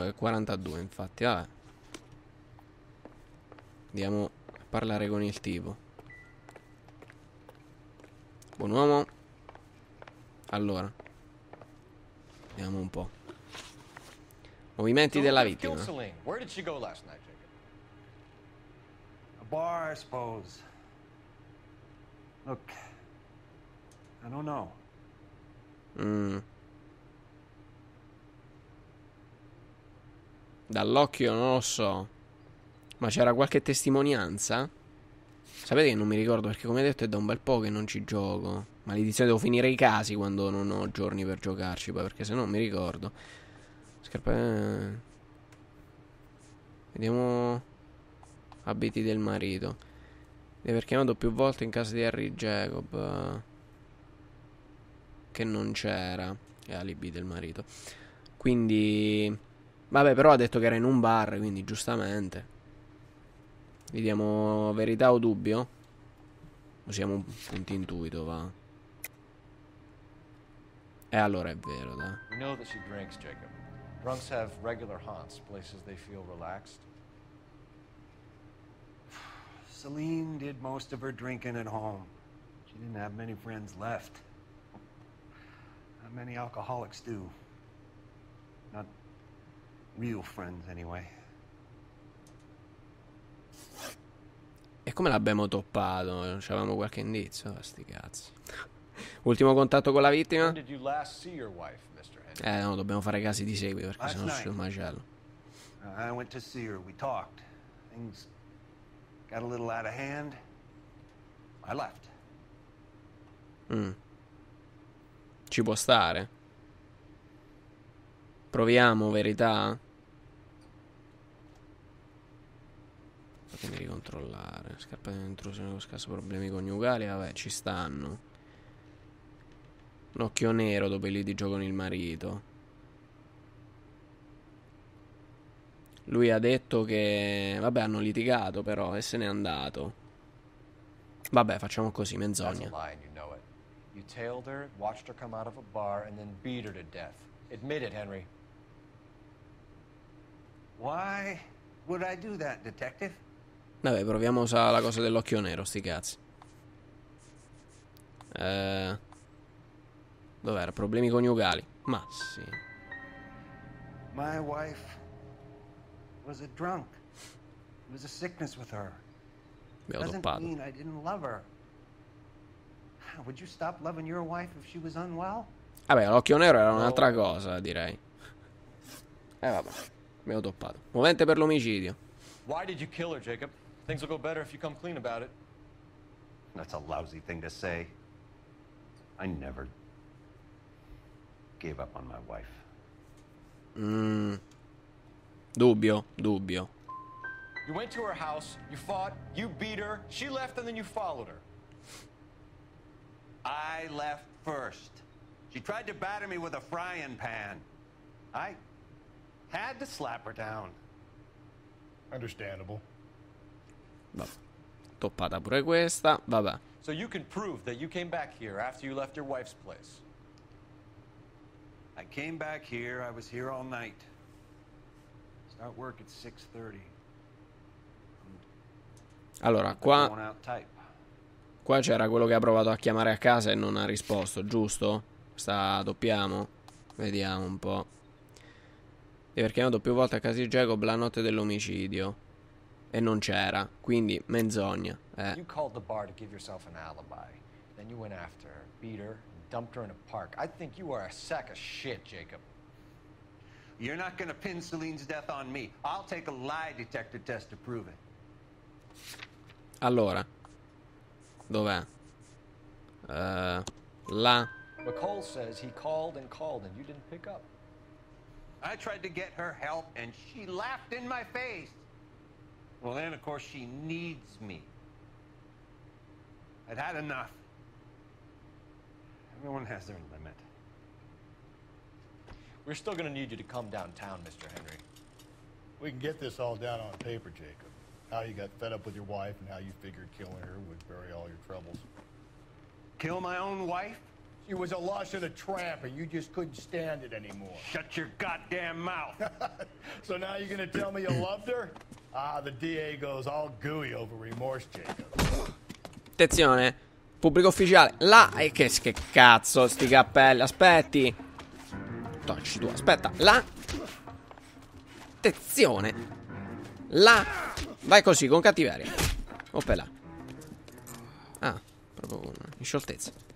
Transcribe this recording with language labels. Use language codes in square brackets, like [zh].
[it] no, è 42, infatti. Vabbè. Andiamo a parlare con il tipo. Buon uomo. Allora. Vediamo un po'. Movimenti della vittima. [en] Where did she go last night, Jacob? A bar, I suppose. Look. I don't know. [it] Dall'occhio non lo so. Ma c'era qualche testimonianza? Sapete che non mi ricordo perché come detto è da un bel po' che non ci gioco. Maledizione, devo finire i casi quando non ho giorni per giocarci, poi perché se no mi ricordo. Scarpe. Vediamo. Abiti del marito. Deve aver chiamato più volte in casa di Harry Jacob. Che non c'era. E alibi del marito. Quindi. Vabbè, però ha detto che era in un bar. Quindi, giustamente. Vediamo verità o dubbio. Usiamo un punto intuito, va. E allora è vero, dai. [en] We know that she drinks, Jacob. Drunks have regular haunts, places they feel relaxed. Celine did most of her drinking at home. She didn't have many friends left. Not many alcoholics do. Not real friends, anyway. [it] E come l'abbiamo toppato? Non c'avevamo qualche indizio? Sti cazzi. Ultimo contatto con la vittima? [en] Did you last see your wife, Mr. [it] No, dobbiamo fare casi di seguito perché sennò c'è un macello. [en] I went to see her. We talked. Things got a little out of hand. I left. [it] Mm. Ci può stare. Proviamo, verità. Fatemi ricontrollare. Scarpa di intrusione con scarso problemi coniugali. Vabbè, ci stanno. Un occhio nero dopo i litigi con il marito. Lui ha detto che... Vabbè, hanno litigato però e se n'è andato. Vabbè, facciamo così, menzogna. [en] You tailed her, watched her come out of a bar, and then beat her to death. Admit it, Henry. Why would I do that, detective? [it] Vabbè, proviamo a usare la cosa dell'occhio nero, sti cazzi. Dov'era? Problemi coniugali. Ma sì. [en] My wife was a drunk. It was a sickness with her. [it] Mi ha doppato. [en] Doesn't mean I didn't love her. Would you stop loving your wife if she was unwell? [it] Vabbè, l'occhio nero era un'altra cosa, direi. Vabbè, mi ho toppato. Movente per l'omicidio. [en] Why did you kill her, Jacob? Things will go better if you come clean about it. That's a lousy thing to say. I never gave up on my wife. [it] Mm. Dubbio. [en] You went to her house, you fought, you beat her, she left and then you followed her. I left first. She tried to batter me with a frying pan. I had to slap her down. Understandable. [it] Vabbè. Toppata pure questa, vabbè. [en] So you can prove that you came back here after you left your wife's place. I came back here, I was here all night. Start work at 6:30. [it] Allora, qua... Qua c'era quello che ha provato a chiamare a casa e non ha risposto, giusto? Sta doppiamo? Vediamo un po'. E perché ho doppio volte a casa di Jacob la notte dell'omicidio. E non c'era, quindi menzogna. [en] You called the bar to give yourself an alibi. Then you went after her, beat her, dumped her in a park. I think you are a sack of shit, Jacob. You're not gonna pin Celine's death on me. I'll take a lie detector test to prove it. [it] Allora. Dov'è? Là. [en] McCall says he called and called and you didn't pick up. I tried to get her help and she laughed in my face. Well, then of course she needs me. I'd had enough. Everyone has their limit. We're still gonna need you to come downtown, Mr. Henry. We can get this all down on paper, Jacob. How you got fed up with your wife and how you figured killing her would bury all your troubles. Kill my own wife? She was a lush and a tramp and you just couldn't stand it anymore. Shut your goddamn mouth. So now you're gonna tell me you loved her? Ah, the DA goes all gooey over remorse, Jacob. [it] Attenzione, pubblico ufficiale. Là, e che cazzo, sti cappelli, aspetti. Tocci tu, aspetta, là. Attenzione. Là. Vai così, con cattiveria. Oppela. Ah, proprio una in scioltezza.